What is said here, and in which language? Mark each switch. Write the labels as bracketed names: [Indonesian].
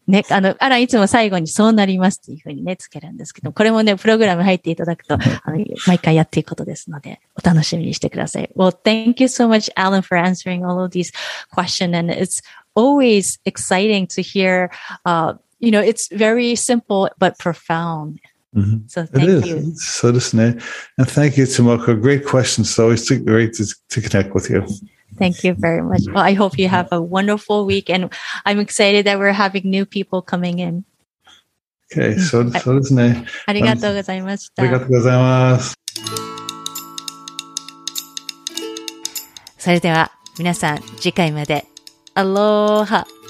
[Japanese] ね、あら、いつも最後にそうなりますっていうふうにね、つけるんですけど、これもね、プログラム入っていただくと、毎回やっていくことですので、お楽しみにしてください。 [English] Well, thank you so much, Alan, for answering all of these questions. And it's always exciting to hear, you know, it's very simple, but profound. So thank you. And thank you, Tomoko. Great questions. So it's great to connect with you. Thank you very much. Well, I hope you have a wonderful week, and I'm excited that we're having new people coming in. Okay, so [Japanese] ですね。ありがとうございました。ありがとうございます。それでは皆さん次回まで。アローハ。